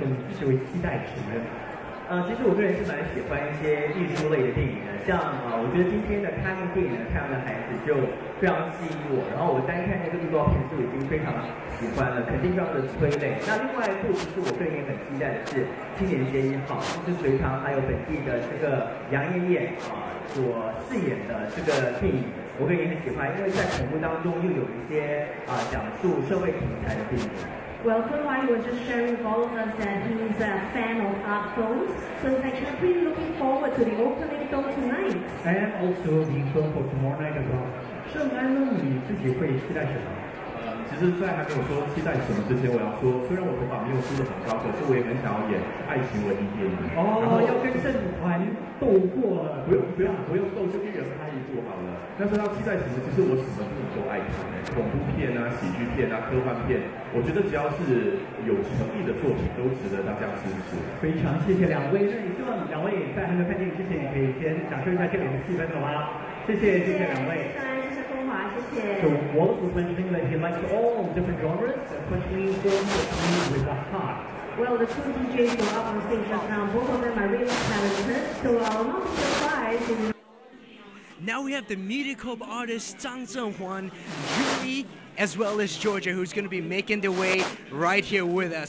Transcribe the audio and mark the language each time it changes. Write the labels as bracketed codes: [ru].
[zh] 其实我个人是蛮喜欢一些艺术类的电影的，像我觉得今天的开幕电影的《太阳的孩子》就非常吸引我，然后我单看那个预告片就已经非常喜欢了，肯定要的催泪。那另外一部其实我个人也很期待的是《青年嫌疑犯》，就是隋唐还有本地的这个杨烨烨所饰演的这个电影，我个人也很喜欢，因为在屏幕当中又有一些讲述社会题材的电影。 [en] Well, Kun Hua was just sharing with all of us that he's a fan of art films, so he's actually pretty looking forward to the opening film tonight. And also the film for tomorrow night as well. [zh] 圣安路，你自己会期待什么？其实，在还没有说期待什么之前，我要说，虽然我头发没有梳得很高，可是我也很想要演爱情文艺电影。哦，要跟郑环斗过了？不用不用不用斗，就一人拍一部好了。但是要期待什么？其实我什么部都爱看，恐怖片啊、喜剧片啊、科幻片，我觉得只要是有诚意的作品，都值得大家支持。非常谢谢两位，那也希望两位在还没看电影之前，也可以先享受一下这里的气氛，好吗？谢谢两位。谢谢。 [en] So Wallace was mentioning that he likes all different genres, especially films that deal with the heart. Well, the two DJs were up on stage just now. Both of them are really talented, so I'm not surprised. Now we have the Mediacorp artist Zhang Zhenhuan, Yuri, as well as Georgia, who's going to be making their way right here with us.